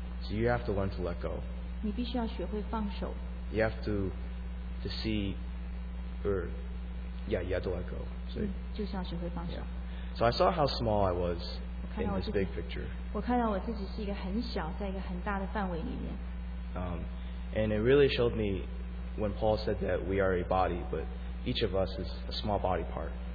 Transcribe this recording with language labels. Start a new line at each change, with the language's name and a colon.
English: So you have to learn to let go.
Chinese: 你必须要学会放手。
English: You have to see, or yeah, you have to let go.
Chinese: 就是要学会放手。
English: Yeah. So I saw how small I was in this big picture.
Chinese: 我看到我自己是一个很小，在一个很大的范围里面。
English: And it really showed me when Paul said that we are a body, but each of us is a small body part.